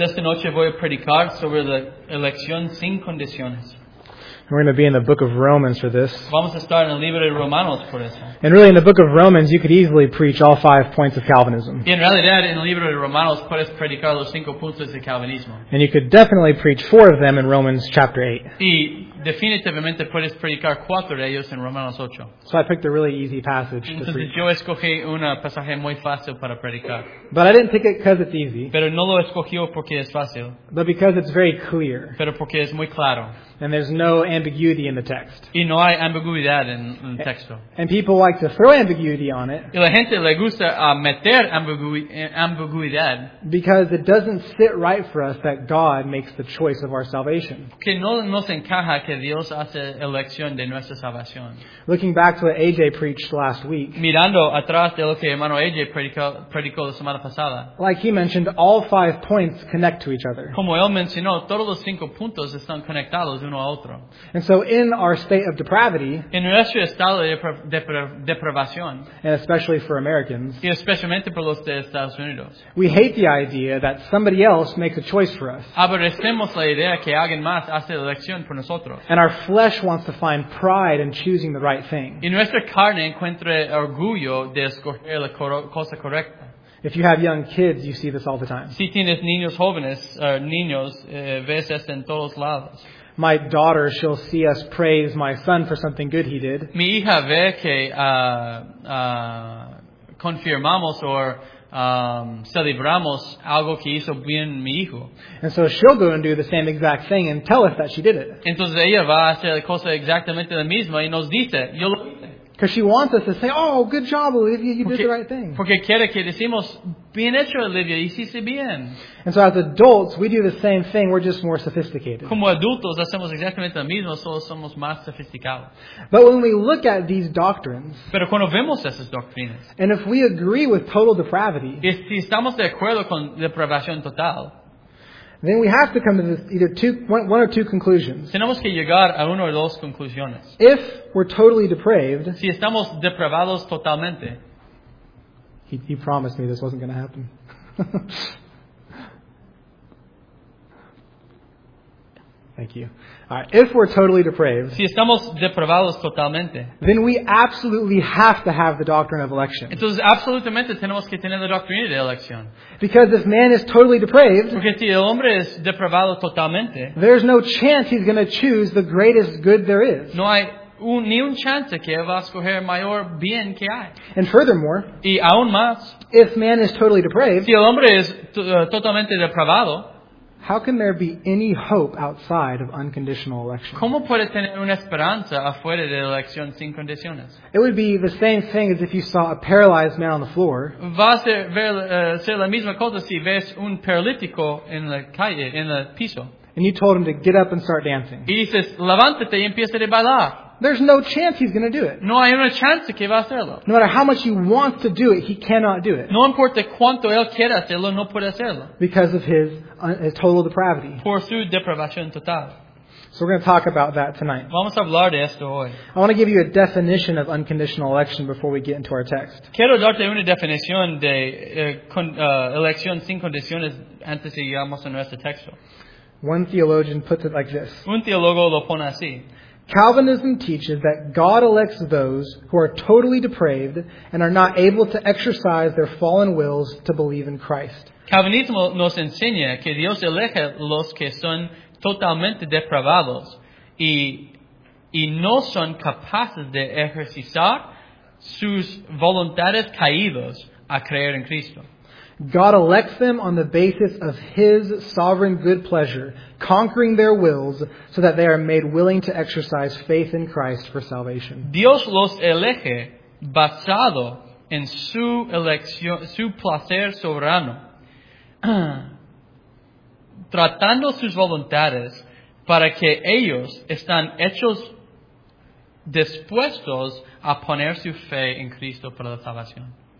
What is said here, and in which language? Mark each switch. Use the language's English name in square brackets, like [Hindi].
[Spanish] Esta noche voy a predicar sobre la elección sin condiciones. [English] We're going to be in the book of Romans for this. [Spanish] Vamos a estar en el libro de Romanos por eso. [English] And really, in the book of Romans, you could easily preach all 5 points of Calvinism. [Spanish] Y en realidad, en el libro de Romanos puedes predicar los 5 puntos de Calvinismo. [English] And you could definitely preach 4 of them in Romans chapter 8. [Spanish] Y definitivamente puedes predicar 4 de ellos en Romanos 8. [English] So I picked a really easy passage [Spanish] Entonces, [English] to preach. [Spanish] Yo escogí un pasaje muy fácil para predicar. [English] But I didn't pick it because it's easy. [Spanish] Pero no lo escogí porque es fácil. [English] But because it's very clear. [Spanish] Pero porque es muy claro. [English] And there's no ambiguity in the text. [Spanish] Y no hay ambiguidad en el texto. [English] And people like to throw ambiguity on it. [Spanish] Y la gente le gusta meter ambiguidad. [English] Because it doesn't sit right for us that God makes the choice of our salvation. [Spanish] Que no nos encaja que Dios hace elección de nuestra salvación. [English] Looking back to what AJ preached last week. [Spanish] Mirando atrás de lo que hermano AJ predicó la semana pasada. [English] Like he mentioned, all 5 points connect to each other. [Spanish] Como él mencionó, todos los 5 puntos están conectados. [English] And so in our state of depravity, [Spanish] en nuestro estado de depravación, [English] and especially for Americans, [Spanish] y especialmente por los de Estados Unidos, [English] we hate the idea that somebody else makes a choice for us. [Spanish] Aborrecemos la idea que alguien más hace la elección por nosotros. [English] And our flesh wants to find pride in choosing the right thing. [Spanish] Y nuestra carne encuentra orgullo de escoger la cosa correcta. [English] If you have young kids, you see this all the time. [Spanish] Si tienes niños jóvenes, niños, ves esto en todos lados. [English] My daughter, she'll see us praise my son for something good he did. [Spanish] Mi hija ve que confirmamos o celebramos algo que hizo bien mi hijo. [English] And so she'll go and do the same exact thing and tell us that she did it. [Spanish] Entonces ella va a hacer la cosa exactamente la misma y nos dice, yo lo hice. [English] Because she wants us to say, oh, good job, Olivia, you did the right thing. [Spanish] Porque quiere que decimos, bien hecho, Olivia, hiciste bien. [English] And so as adults, we do the same thing, we're just more sophisticated. [Spanish] Como adultos, hacemos exactamente lo mismo, solo somos más sofisticados. [English] But when we look at these doctrines, [Spanish] pero cuando vemos esas doctrinas, [English] and if we agree with total depravity, [Spanish] y si estamos de acuerdo con depravación total, [English] then we have to come to this either one or two conclusions. [Spanish] Tenemos que llegar a uno o dos conclusiones. [English] If we're totally depraved, [Spanish] si estamos depravados totalmente, [English] he promised me this wasn't going to happen. Thank you. All right, if we're totally depraved, [Spanish] si estamos depravados totalmente, [English] then we absolutely have to have the doctrine of election. [Spanish] Entonces, absolutamente tenemos que tener la doctrina de elección. [English] Because if man is totally depraved, [Spanish] porque si el hombre es depravado totalmente, [English] there's no chance he's going to choose the greatest good there is. [Spanish] No hay ni un chance que él va a escoger mayor bien que hay. [English] And furthermore, [Spanish] y aún más, [English] if man is totally depraved, [Spanish] si el hombre es totalmente depravado, [English] how can there be any hope outside of unconditional election? [Spanish] ¿Cómo puede tener una esperanza afuera de elección sin condiciones? [English] It would be the same thing as if you saw a paralyzed man on the floor. [Spanish] Va a ser la misma cosa si ves un paralítico en la calle, en el piso. [English] And you told him to get up and start dancing. [Spanish] Y dices, levántate y empieza a bailar. [English] There's no chance he's going to do it. [Spanish] No hay una chance que va a hacerlo. [English] No matter how much he wants to do it, he cannot do it. [Spanish] No importa cuánto él quiera hacerlo, no puede hacerlo. [English] Because of his total depravity. [Spanish] Por su depravación total. [English] So we're going to talk about that tonight. [Spanish] Vamos a hablar de esto hoy. [English] I want to give you a definition of unconditional election before we get into our text. [Spanish] Quiero darte una definición de elección sin condiciones antes de llegamos a nuestro texto. [English] One theologian puts it like this. [Spanish] Un teólogo lo pone así. [English] Calvinism teaches that God elects those who are totally depraved and are not able to exercise their fallen wills to believe in Christ. [Spanish] Calvinismo nos enseña que Dios elige los que son totalmente depravados y no son capaces de ejercitar sus voluntades caídas a creer en Cristo. [English] God elects them on the basis of His sovereign good pleasure, conquering their wills so that they are made willing to exercise faith in Christ for salvation. [Spanish] Dios los elige basado en su elección, su placer soberano, tratando sus voluntades para que ellos están hechos dispuestos a poner su fe en Cristo para la salvación.